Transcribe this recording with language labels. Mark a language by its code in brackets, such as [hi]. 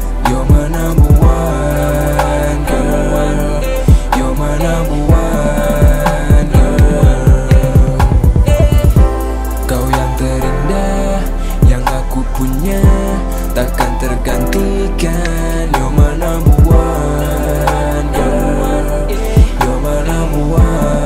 [en] You're my number one girl, you're my number one girl. [id] Kau yang terindah yang aku punya, takkan tergantikan. [en] You're my number one girl, you're my number one.